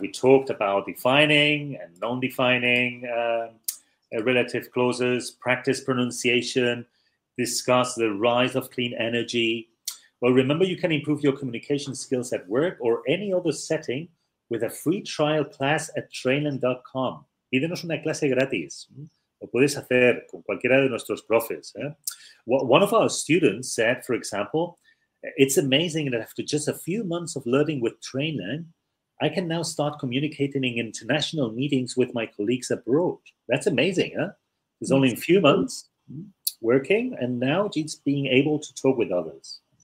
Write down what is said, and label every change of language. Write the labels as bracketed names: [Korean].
[English] We talked about defining and non-defining relative clauses, practice pronunciation, discuss the rise of clean energy. Well, remember, you can improve your communication skills at work or any other setting with a free trial class at trainland.com. [Spanish] Pídenos una clase gratis. Lo puedes hacer con cualquiera de nuestros profes. [English] One of our students said, for example, "It's amazing that after just a few months of learning with Trainland, I can now start communicating in international meetings with my colleagues abroad." That's amazing, huh? It's only a few months working, and now it's being able to talk with others.